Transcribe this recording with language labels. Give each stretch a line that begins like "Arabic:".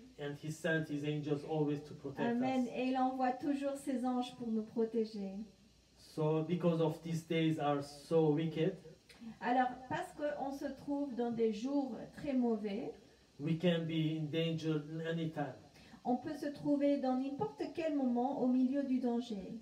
English: And he sent his angels always to protect Amen. Us.
French: Et il envoie toujours ses anges pour nous protéger.
English: So because of these days are so wicked.
French: Alors parce que on se trouve dans des jours très mauvais.
English: We can be in danger anytime.
French: On peut se trouver dans n'importe quel moment au milieu du danger.